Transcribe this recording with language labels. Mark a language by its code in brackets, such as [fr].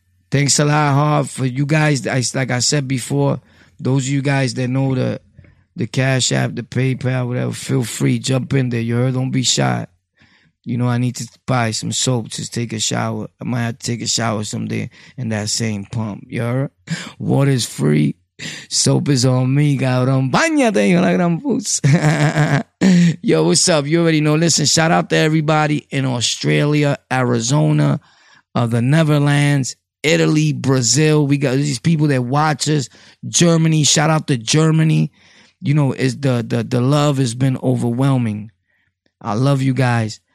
[en] Thanks a lot, Harv, for you guys. Like I said before, those of you guys that know the Cash App, the PayPal, whatever, feel free. Jump in there. You heard? Don't be shy. You know, I need to buy some soap to take a shower. I might have to take a shower someday in that same pump. You heard? Water's free. Soap is on me, cabrón. [es] Bañate, hijo la gran puta. [en] Yo, what's up? You already know. Listen, shout out to everybody in Australia, Arizona, the Netherlands, Italy, Brazil. We got these people that watch us. Germany, shout out to Germany. You know, it's the love has been overwhelming. I love you guys.